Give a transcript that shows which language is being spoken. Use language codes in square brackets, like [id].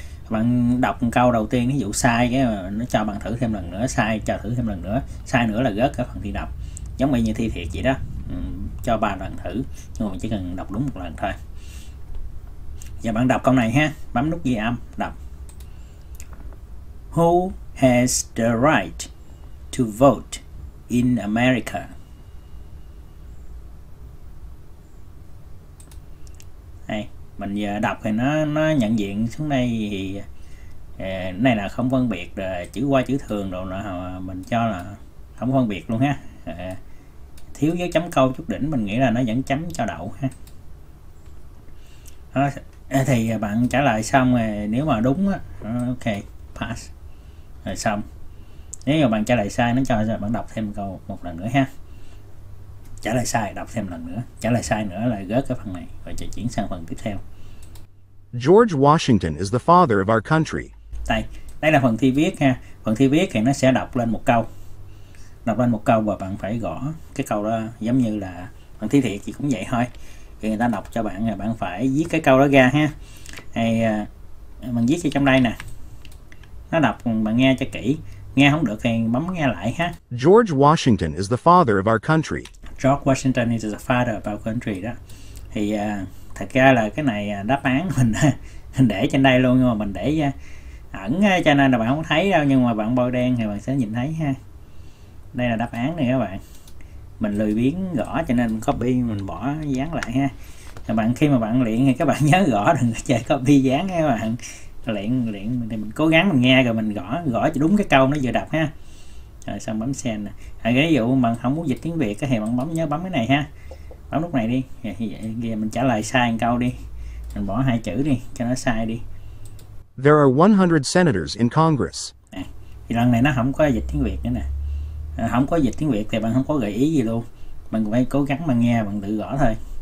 [vi] Bạn đọc một câu đầu tiên ví dụ sai cái nó cho bạn thử thêm lần nữa, sai cho thử thêm lần nữa, sai nữa là rớt cái phần thi đọc, giống như thi thiệt vậy đó. Cho 3 lần thử nhưng mà chỉ cần đọc đúng 1 lần thôi. Giờ bạn đọc câu này ha, bấm nút ghi âm đọc. [en] Who has the right to vote in America? [vi] Mình giờ đọc thì nó nhận diện xuống đây thì này là không phân biệt rồi, chữ qua chữ thường rồi là mình cho là không phân biệt luôn ha, thiếu dấu chấm câu chút đỉnh, mình nghĩ là nó vẫn chấm cho đậu ha. Thì bạn trả lời xong rồi, nếu mà đúng á, ok, pass. Rồi xong. Nếu mà bạn trả lời sai, nó cho rồi bạn đọc thêm câu một lần nữa ha. Trả lời sai, đọc thêm lần nữa. Trả lời sai nữa là gớt cái phần này, rồi chạy chuyển sang phần tiếp theo. [en] George Washington is the father of our country. [vi] Đây, đây là phần thi viết ha. Phần thi viết thì nó sẽ đọc lên một câu. Đọc lên một câu và bạn phải gõ cái câu đó, giống như là phần thi thiệt thì cũng vậy thôi. Thì người ta đọc cho bạn là bạn phải viết cái câu đó ra ha. Thì mình viết cho trong đây nè. Nó đọc bạn nghe cho kỹ. Nghe không được thì bấm nghe lại ha. [en] George Washington is the father of our country. George Washington is the father of our country đó. [vi] Thì thật ra là cái này đáp án mình để trên đây luôn, nhưng mà mình để ẩn cho nên là bạn không thấy đâu, nhưng mà bạn bôi đen thì bạn sẽ nhìn thấy ha. Đây là đáp án này các bạn. Mình lười biếng gõ cho nên copy mình bỏ dán lại ha. Các bạn khi mà bạn luyện thì các bạn nhớ gõ, đừng có chơi copy dán nha các bạn. Luyện luyện thì mình cố gắng mình nghe rồi mình gõ, gõ cho đúng cái câu nó vừa đọc ha. Rồi xong bấm send nè. Ví dụ bạn không muốn dịch tiếng Việt thì bạn bấm nhớ bấm cái này ha. Bấm lúc này đi. Rồi, như vậy mình trả lời sai một câu đi. Mình bỏ hai chữ đi cho nó sai đi. [en] There are 100 senators in Congress. [vi] Thì lần này nó không có dịch tiếng Việt nữa nè. Không có dịch tiếng Việt thì bạn không có gợi ý gì luôn, mình phải cố gắng mà nghe bằng tự gõ thôi.